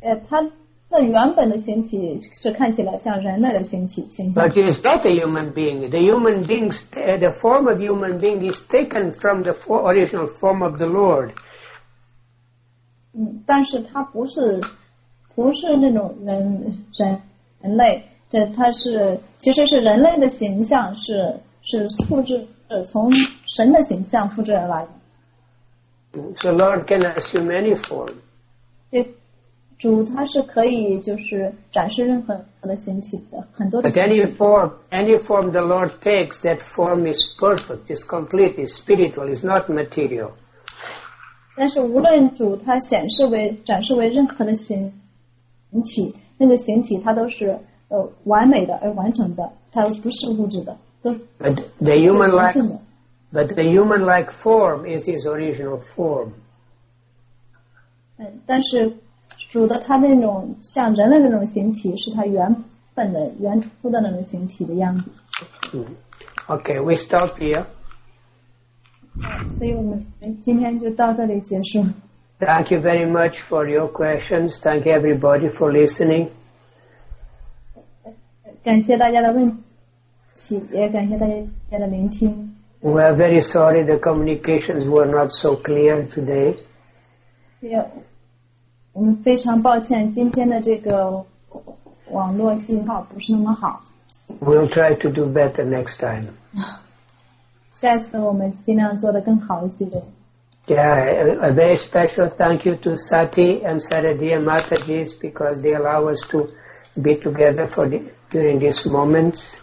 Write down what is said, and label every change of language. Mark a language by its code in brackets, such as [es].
[zh] 他的原本的形体是看起来像人类的形体。 [en] But he is not a human being. The form of human being is taken from the original form of the Lord. [zh] 但是他不是那种人类，这他是其实是人类的形象是复制。从神的形象复制而来的。 [en] So Lord can assume any form. [zh] 对，主他是可以就是展示任何的形体的，很多的形体。 [en] But any form the Lord takes, that form is perfect, is complete, is spiritual, is not material. [zh] 但是无论主他展示为任何的形体，那个形体它都是完美的而完整的，它不是物质的。 [en] But the human-like form is his original form. [zh] 但是主的他那种像人类那种形体是他原本的原初的那种形体的样子。 [en] Okay, we stop here. [zh] 所以我们今天就到这里结束。 [en] Thank you very much for your questions. Thank everybody for listening. [zh] 感谢大家的问题。也感谢大家的聆听。 [en] We are very sorry the communications were not so clear today. [zh] Yeah, 我们非常抱歉今天的这个网络信号不是那么好。 [en] We'll try to do better next time. [zh] 下次我们尽量做得更好一些的。 [en] Yeah, a very special thank you to Sati and Saradiya Matajis because they allow us to be together for the, during this moment.